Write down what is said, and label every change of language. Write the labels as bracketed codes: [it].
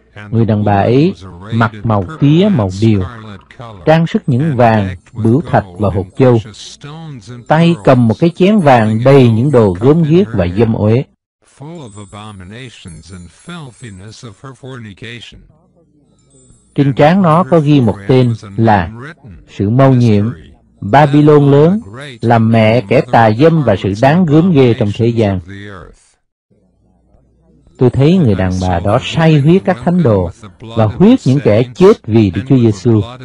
[vi] Người đàn bà ấy mặc màu tía, màu điều, trang sức những vàng, bửu thạch và hột châu, tay cầm một cái chén vàng đầy những đồ gớm ghiếc và dâm uế. [en] Full of abominations and filthiness of her fornication. [vi] Trên trán nó có ghi một tên là sự mâu nhiệm, Babylon lớn, là mẹ kẻ tà dâm và sự đáng gớm ghê trong thế gian. Tôi thấy người đàn bà đó say huyết các thánh đồ và huyết những kẻ chết vì Đức Chúa Giêsu.